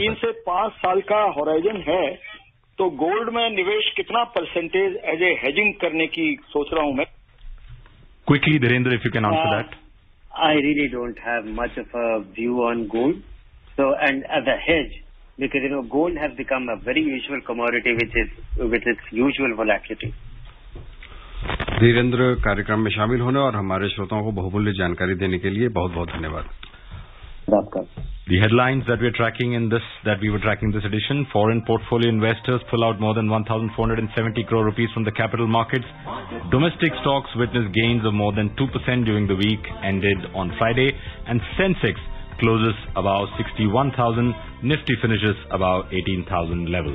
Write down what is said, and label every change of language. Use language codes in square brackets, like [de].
[hi] 3 se 5 saal ka horizon hai, to gold mein nivesh kitna percentage [en] as a hedging [hi] karne ki soch raha hu main? [en] Quickly, Dhirendra, if you can answer that. I really don't have much of a view on gold. So, and as a hedge, because you know, gold has become a very usual commodity with its usual volatility. [hi] Dhirendra, कार्यक्रम में शामिल होने और हमारे श्रोताओं को बहुमूल्य जानकारी देने के लिए बहुत-बहुत धन्यवाद. [en] The headlines that we were tracking this edition, foreign portfolio investors pull out more than 1,470 crore rupees from the capital markets. Domestic stocks witnessed gains of more than 2% during the week ended on Friday, and Sensex closes above 61,000, Nifty finishes above 18,000 level.